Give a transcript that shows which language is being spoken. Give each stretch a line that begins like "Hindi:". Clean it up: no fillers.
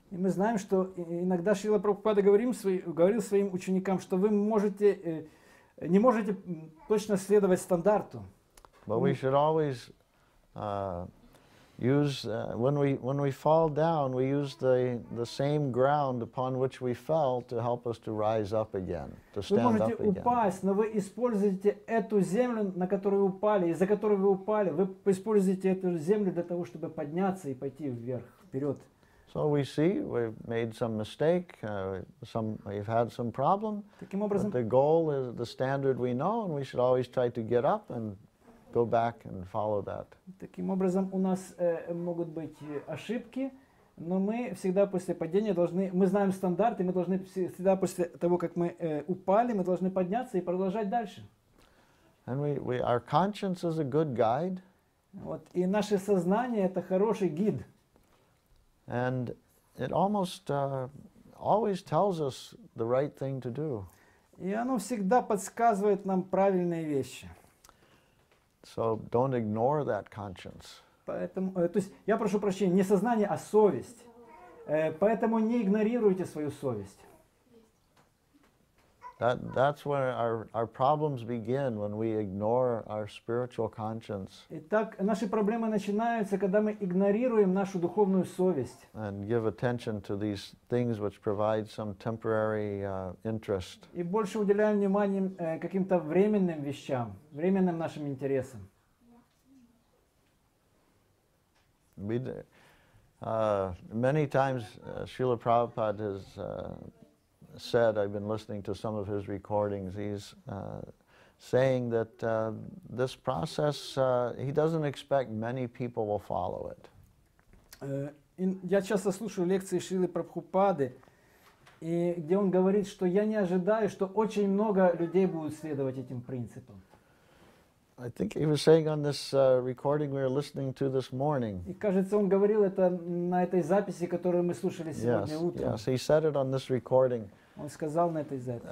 Russian: И мы знаем, что иногда Шрила Прабхупада говорил своим ученикам, что вы можете не можете точно следовать стандарту.
English: But we should always use when we fall down, we use the same ground upon which we fell to help us to rise up again, to stand up again.
Russian: Вы можете упасть, но вы используете эту землю, на которую упали, из-за которой вы упали, вы используете эту землю для того, чтобы подняться и пойти вверх, вперед.
English: So we see we've made some mistake, we've had some problem.
Russian: Таким образом,
English: but the goal is the standard we know, and we should always try to get up and go back and follow that.
Russian: Таким образом, у нас могут быть ошибки, но мы всегда после падения должны, мы знаем стандарт, и мы должны всегда после того, как мы упали, мы должны подняться и продолжать дальше.
English: And we our conscience is a good guide.
Russian: Вот, и наше сознание это хороший гид.
English: And it almost always tells us the right thing to do.
Russian: И оно всегда подсказывает нам правильные вещи.
English: So don't ignore that conscience.
Russian: Поэтому, то есть, я прошу прощения, не сознание, а совесть. Поэтому не игнорируйте свою совесть.
English: That's where our problems begin, when we ignore our spiritual conscience.
Russian: Итак, наши проблемы начинаются, когда мы игнорируем нашу духовную совесть.
English: And give attention to these things which provide some temporary interest.
Russian: И больше уделяем внимание каким-то временным вещам. Временным нашим интересам.
English: Many times Srila Prabhupada has said, I've been listening to some of his recordings, he's saying that this process, he doesn't expect many people will follow it.
Russian: Я часто слушаю лекции Шрилы Прабхупады, и где он говорит, что я не ожидаю, что очень много людей будут следовать этим принципам.
English: I think he was saying on this recording we were listening to this morning.
Russian: И кажется, он говорил это на этой записи, которую мы слушали сегодня утром.
English: Yes, he said it on this recording.
Russian: Он сказал на этой записи.